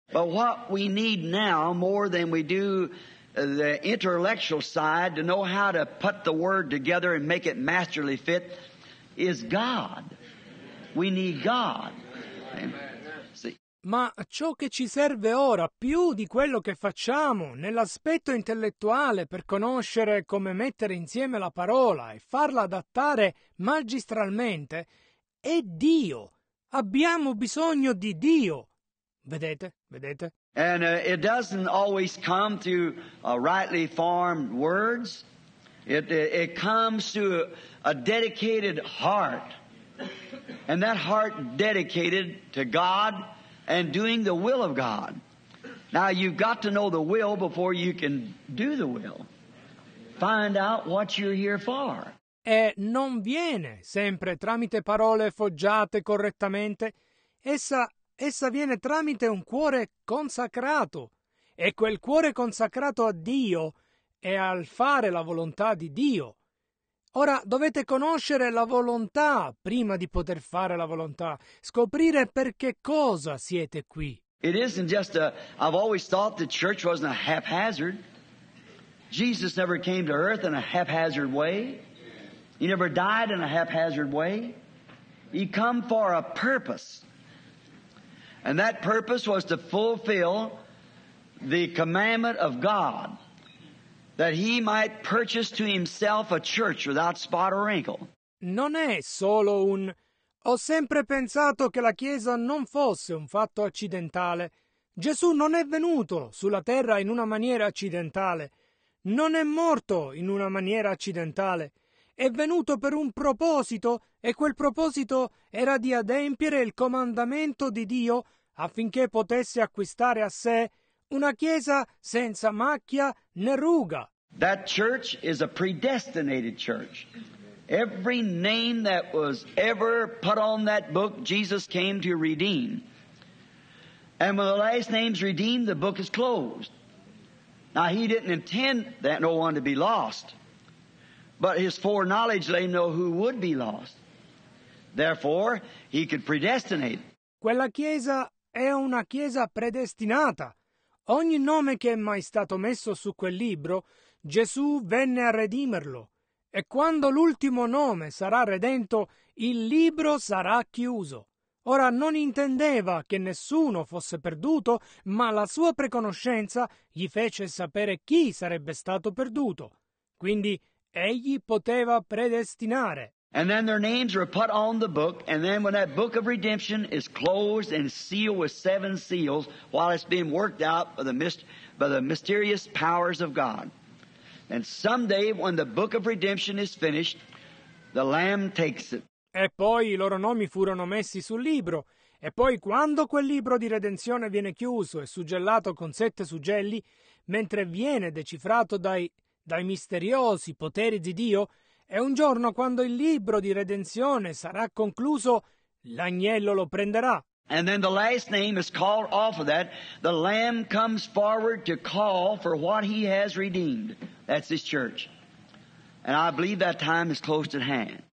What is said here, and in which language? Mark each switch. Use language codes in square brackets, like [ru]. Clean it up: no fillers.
[en] But what we need now more than we do the intellectual side to know how to put the word together and make it masterly fit is God. We need God. See. [it] Ma ciò che ci serve ora più di quello che facciamo nell'aspetto intellettuale per conoscere come mettere insieme la parola e farla adattare magistralmente è Dio. Abbiamo bisogno di Dio. Vedete? Vedete? [en] And it doesn't always come through rightly formed words. It comes through a dedicated heart. And that heart dedicated to God and doing the will of God. Now, you've got to know the will before you can do the will. Find out what you're here for. [it] E non viene sempre tramite parole foggiate correttamente. Essa viene tramite un cuore consacrato. E quel cuore consacrato a Dio è al fare la volontà di Dio. Ora dovete conoscere la volontà prima di poter fare la volontà. Scoprire per che cosa siete qui. [en] It isn't just I've always thought the church wasn't a haphazard. Jesus never came to earth in a haphazard way. He never died in a haphazard way. He come for a purpose. And that purpose was to fulfill the commandment of God that he might purchase to himself a church without spot or wrinkle. [it] Non è solo un... Ho sempre pensato che la Chiesa non fosse un fatto accidentale. Gesù non è venuto sulla terra in una maniera accidentale. Non è morto in una maniera accidentale. È venuto per un proposito, e quel proposito era di adempiere il comandamento di Dio affinché potesse acquistare a sé una chiesa senza macchia né ruga. [en] That church is a predestinated church. Every name that was ever put on that book, Jesus came to redeem. And when the last name's redeemed, the book is closed. Now, he didn't intend that no one to be lost. But his foreknowledge let him know who would be lost. Therefore, he could predestinate. [it] Quella chiesa è una chiesa predestinata. ogni nome che è mai stato messo su quel libro, Gesù venne a redimerlo. E quando l'ultimo nome sarà redento, il libro sarà chiuso. Ora non intendeva che nessuno fosse perduto, ma la sua preconoscenza gli fece sapere chi sarebbe stato perduto. Quindi egli poteva predestinare. [en] And then their names were put on the book, and then when that book of redemption is closed and sealed with seven seals, while it's being worked out by the mysterious powers of God. And someday when the book of redemption is finished, the Lamb takes it. [it] E poi i loro nomi furono messi sul libro. E poi quando quel libro di redenzione viene chiuso e suggellato con sette suggelli, mentre viene decifrato dai misteriosi poteri di Dio, e un giorno quando il libro di redenzione sarà concluso, l'agnello lo prenderà. [en] And then the last name is called off of that. The Lamb comes forward to call for what he has redeemed. That's his church. And I believe that time is close at hand.